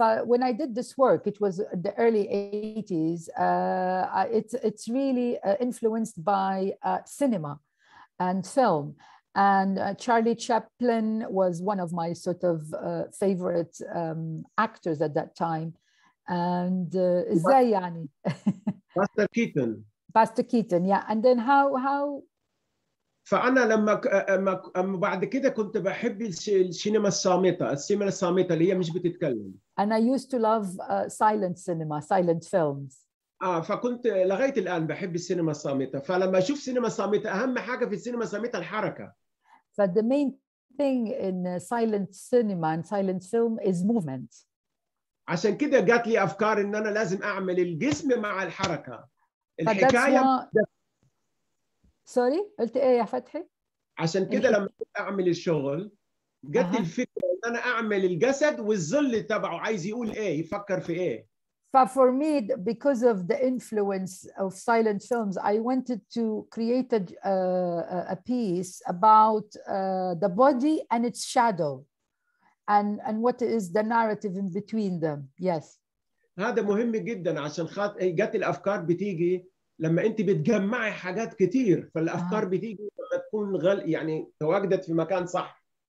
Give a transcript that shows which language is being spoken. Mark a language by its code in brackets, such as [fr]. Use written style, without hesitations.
[en] When I did this work, it was the early 80s. It's really influenced by cinema and film. And Charlie Chaplin was one of my sort of favorite actors at that time. And [ar] ازاي يعني باستر كيتون [en] Buster Keaton يا and then how [ar] فانا لما بعد كده كنت بحب السينما الصامته، السينما الصامته اللي هي مش بتتكلم. [en] انا use to love silent cinema, silent films. [ar] فكنت لغايه الان بحب السينما الصامته، فلما اشوف سينما صامته اهم حاجه في السينما الصامته الحركه. [en] The main thing in silent cinema and silent film is movement. [ar] عشان كده جات لي أفكار إن أنا لازم أعمل الجسم مع الحركة. الحكاية سوري قلت إيه يا فتحي؟ عشان كده لما أعمل الشغل جات الفكرة إن أنا أعمل الجسد والظل تبعه عايز يقول إيه، يفكر في إيه. [en] For me, because of the influence of silent films, I wanted to create a piece about the body and its shadow. And what is the narrative in between them? Yes. [ar] هذا مهم جدا عشان جات الأفكار بتيجي لما أنت بتجمعي حاجات كتير، فالأفكار بتيجي لما تكون يعني تواجدت في مكان صح.